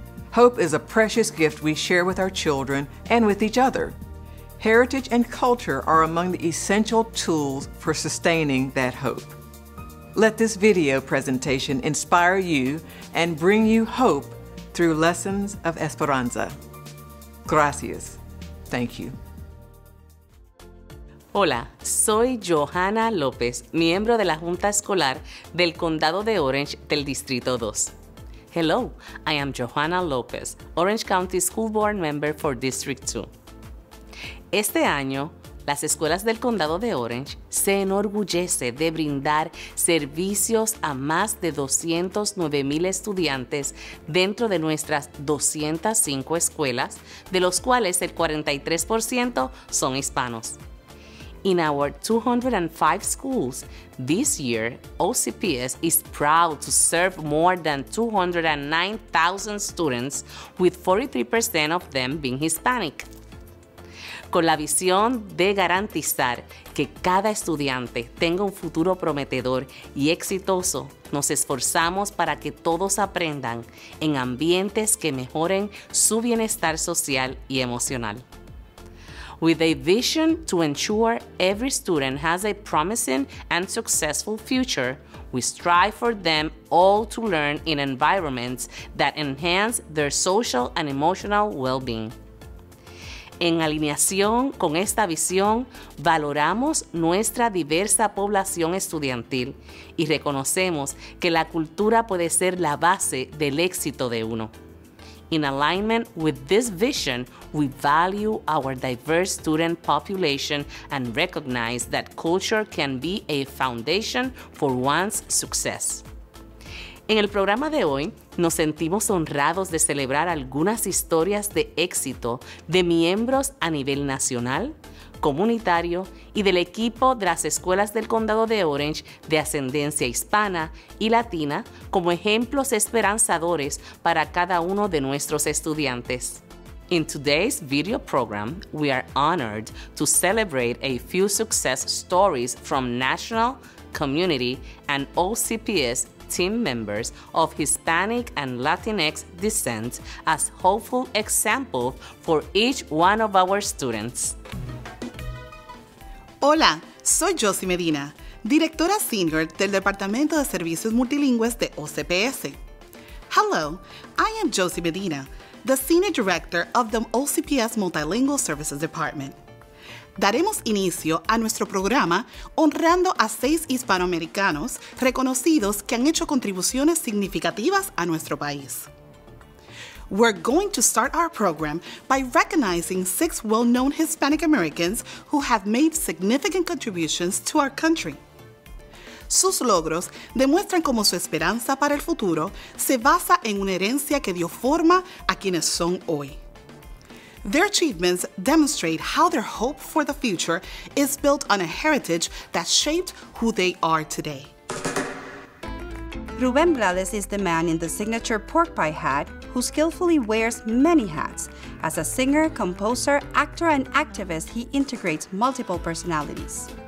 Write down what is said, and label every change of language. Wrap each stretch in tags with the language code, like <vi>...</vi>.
<en>Hope is a precious gift we share with our children and with each other. Heritage and culture are among the essential tools for sustaining that hope. Let this video presentation inspire you and bring you hope through lessons of Esperanza.</en> <es>Gracias.</es> <en>Thank you.</en> <es>Hola, soy Johanna López, miembro de la Junta Escolar del Condado de Orange del Distrito 2.</es> <en>Hello, I am Johanna López, Orange County School Board Member for District 2.</en> <es>Este año, las escuelas del Condado de Orange se enorgullece de brindar servicios a más de 209 mil estudiantes dentro de nuestras 205 escuelas, de los cuales el 43% son hispanos.</es> <en>In our 205 schools, this year, OCPS is proud to serve more than 209,000 students, with 43% of them being Hispanic.</en> <es>Con la visión de garantizar que cada estudiante tenga un futuro prometedor y exitoso, nos esforzamos para que todos aprendan en ambientes que mejoren su bienestar social y emocional.</es> <en>With a vision to ensure every student has a promising and successful future, we strive for them all to learn in environments that enhance their social and emotional well-being.</en> <es>En alineación con esta visión, valoramos nuestra diversa población estudiantil y reconocemos que la cultura puede ser la base del éxito de uno.</es> <en>In alignment with this vision, we value our diverse student population and recognize that culture can be a foundation for one's success.</en> <es>En el programa de hoy, nos sentimos honrados de celebrar algunas historias de éxito de miembros a nivel nacional, comunitario y del equipo de las escuelas del Condado de Orange de ascendencia hispana y latina como ejemplos esperanzadores para cada uno de nuestros estudiantes.</es> <en>In today's video program, we are honored to celebrate a few success stories from national, community, and OCPS team members of Hispanic and Latinx descent as hopeful examples for each one of our students.</en> <es>Hola, soy Josie Medina, directora senior del Departamento de Servicios Multilingües de OCPS.</es> <en>Hello, I am Josie Medina, the senior director of the OCPS Multilingual Services Department.</en> <es>Daremos inicio a nuestro programa honrando a 6 hispanoamericanos reconocidos que han hecho contribuciones significativas a nuestro país.</es> <en>We're going to start our program by recognizing 6 well-known Hispanic Americans who have made significant contributions to our country.</en> <es>Sus logros demuestran cómo su esperanza para el futuro se basa en una herencia que dio forma a quienes son hoy.</es> <en>Their achievements demonstrate how their hope for the future is built on a heritage that shaped who they are today. Rubén Blades is the man in the signature pork pie hat who skillfully wears many hats. As a singer, composer, actor, and activist, he integrates multiple personalities.</en>